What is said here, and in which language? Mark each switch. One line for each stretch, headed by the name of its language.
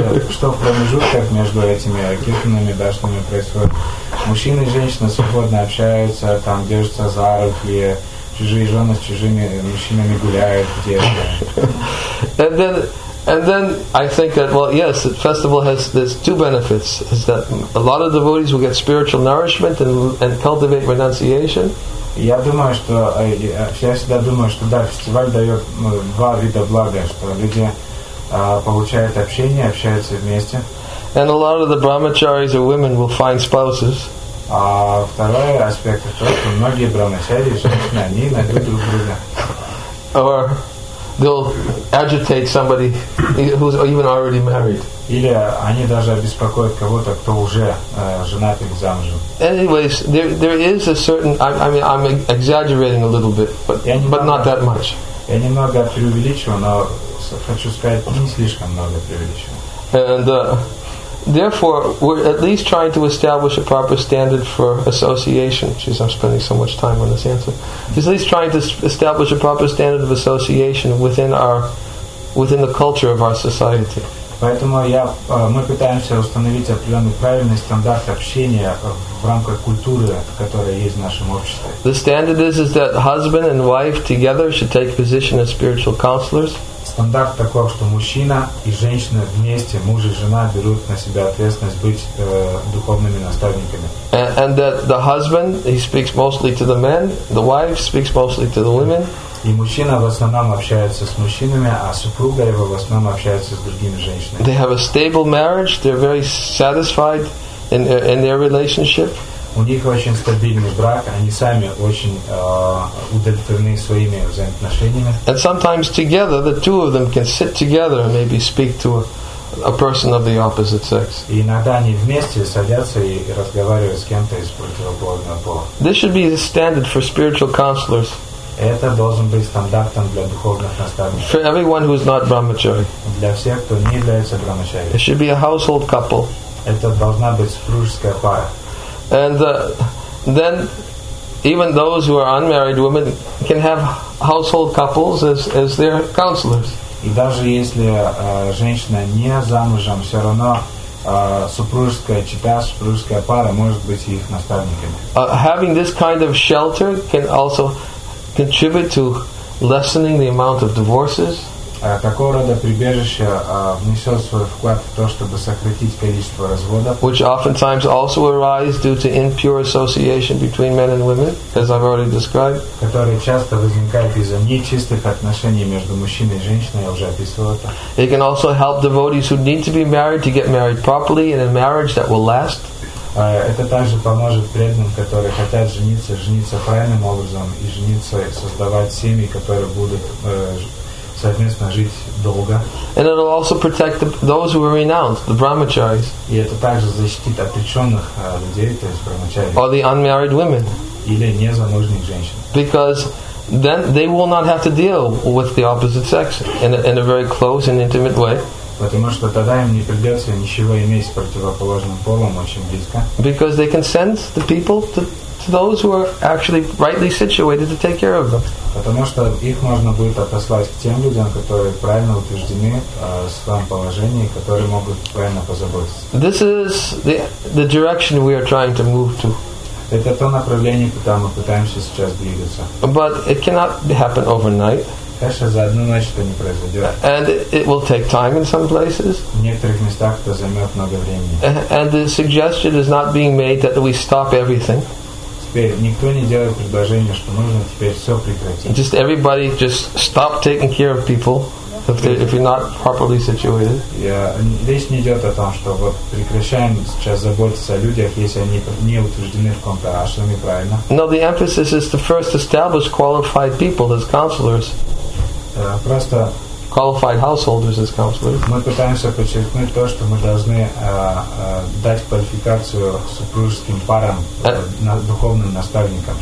Russian: Что в промежутках между этими киртанами, дашнами происходит? Мужчины и женщины свободно общаются, там держатся за руки, чужие жены с чужими мужчинами гуляют где-то.
English: And then I think that, well, yes, the festival has two benefits, is that a lot of devotees will get spiritual nourishment and cultivate renunciation.
Russian: Я думаю, что я всегда думаю, что да, фестиваль дает два вида блага, что люди получают общение, общаются вместе.
English: And a lot of the brahmacharis or women will find spouses.
Russian: А второй аспект в том, что многие брахмачари, женщины, они найдут друг друга.
English: Or they'll agitate somebody who's even already married.
Russian: Или они даже обеспокоят кого-то, кто уже женат или замужем.
English: Anyways, there is a certain, I mean, I'm exaggerating a little bit, but not that much.
Russian: Я немного преувеличиваю, но хочу сказать, не слишком много преувеличиваю.
English: And therefore, we're at least trying to establish a proper standard for association. Jeez, I'm spending so much time on this answer. He's at least trying to establish a proper standard of association within the culture of our society.
Russian: Поэтому мы пытаемся установить определенный правильный стандарт общения в рамках культуры, которая есть в нашем обществе.
English: The standard is that husband and wife together should take position as spiritual counselors.
Russian: Стандарт таков, что мужчина и женщина вместе, муж и жена, берут на себя ответственность быть духовными наставниками.
English: And that the husband, he speaks mostly to the men, the wife speaks mostly to the women.
Russian: И мужчина в основном общается с мужчинами, а супруга его в основном общается с другими женщинами.
English: They have a stable marriage, they're very satisfied in their relationship.
Russian: У них очень стабильный брак, они сами очень удовлетворены своими взаимоотношениями.
English: And sometimes together, the two of them can sit together and maybe speak to a person of the opposite sex.
Russian: И иногда они вместе садятся и разговаривают с кем-то из противоположного пола.
English: This should be the standard for spiritual counselors.
Russian: Это должен быть стандартом для духовных наставников.
English: For everyone who is not brahmachari.
Russian: Для всех, кто не является брахмачари.
English: It should be a household couple.
Russian: Это должна быть супружеская пара.
English: And then even those who are unmarried women can have household couples as their counselors.
Russian: И даже если женщина не замужем, все равно супружеская чета, супружеская пара может быть их наставниками.
English: Having this kind of shelter can also contribute to lessening the amount of divorces.
Russian: Такого рода прибежище внесет свой вклад в то, чтобы сократить количество разводов.
English: Which oftentimes also arise due to impure association between men and women, as I've already described.
Russian: Которые часто возникают из-за нечистых отношений между мужчиной и женщиной, я уже описывал это.
English: It can also help devotees who need to be married to get married properly in a marriage that will last.
Russian: Это также поможет преданным, которые хотят жениться правильным образом и жениться, создавать семьи, которые будут совместно жить долго.
English: And it'll also protect those who are renounced, the brahmacharis.
Russian: И это также защитит отреченных людей, то есть брахмачари.
English: Or the unmarried women.
Russian: Или незамужних женщин.
English: Because then they will not have to deal with the opposite sex in a very close and intimate way.
Russian: Потому что тогда им не придется ничего иметь с противоположным полом очень близко.
English: Because they can send the people to those who are actually rightly situated to take care of them.
Russian: Потому что их можно будет отослать к тем людям, которые правильно утверждены в своем положении, которые могут правильно позаботиться.
English: This is the direction we are trying to move to.
Russian: Это то направление, куда мы пытаемся сейчас двигаться.
English: But it cannot happen overnight.
Russian: Конечно, за одну ночь это не произойдет.
English: And it will take time in some places.
Russian: В некоторых местах это займет много времени.
English: And the suggestion is not being made that we stop everything.
Russian: Теперь никто не делает предложение, что нужно теперь все прекратить.
English: Just everybody just stop taking care of people if you're not properly situated.
Russian: Yeah, речь не идет о том, что вот прекращаем сейчас заботиться о людях, если они не утверждены в каком-то ашраме правильно.
English: No, the emphasis is to first establish qualified people as counselors.
Russian: Просто
English: qualified householders as counselors.
Russian: Мы пытаемся подчеркнуть то, что мы должны дать квалификацию супружеским парам, духовным наставникам.